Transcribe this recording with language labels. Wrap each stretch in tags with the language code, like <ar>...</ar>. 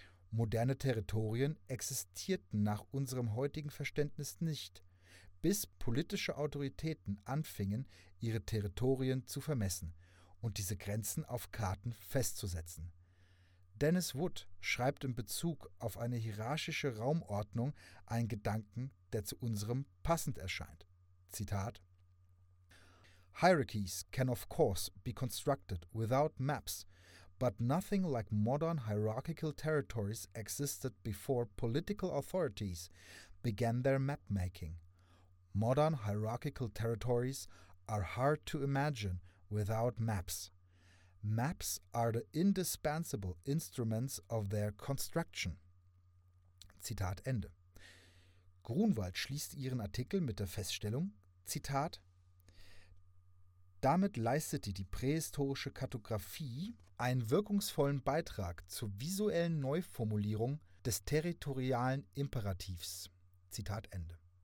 <de>Moderne Territorien existierten nach unserem heutigen Verständnis nicht, bis politische Autoritäten anfingen, ihre Territorien zu vermessen und diese Grenzen auf Karten festzusetzen. Dennis Wood schreibt in Bezug auf eine hierarchische Raumordnung einen Gedanken, der zu unserem passend erscheint. Zitat:</de> <en>Hierarchies can of course be constructed without maps, but nothing like modern hierarchical territories existed before political authorities began their map-making. Modern hierarchical territories are hard to imagine without maps. Maps are the indispensable instruments of their construction.</en> <de>Zitat Ende. Grunwald schließt ihren Artikel mit der Feststellung, Zitat, damit leistete die prähistorische Kartografie einen wirkungsvollen Beitrag zur visuellen Neuformulierung des territorialen Imperativs. Zitat Ende.</de>